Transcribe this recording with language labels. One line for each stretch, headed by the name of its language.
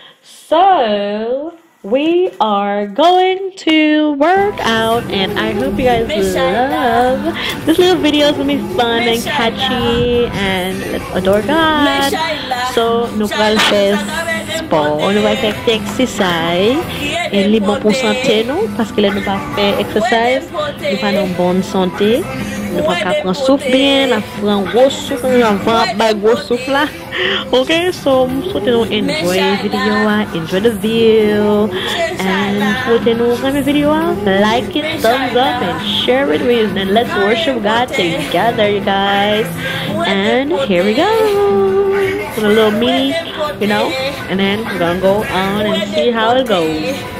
English: So, we are going to work out, and I hope you guys love this little video. It's gonna be fun and catchy, and let's adore God.
French: So, nous allons faire sport, nous allons faire exercise, et les bons pour santé, non? Parce que là, nous allons faire exercise, nous allons avoir bonne santé, nous allons prendre souffle bien, nous allons prendre gros souffle, nous allons prendre un gros souffle là.
English: Ok, so soutenons enjoy video, enjoy the view, and soutenons the video, like it, thumbs up, and share it with, and let's worship God together, you guys. And here we go, with a little mini, you know, and then we're gonna go on and see how it goes.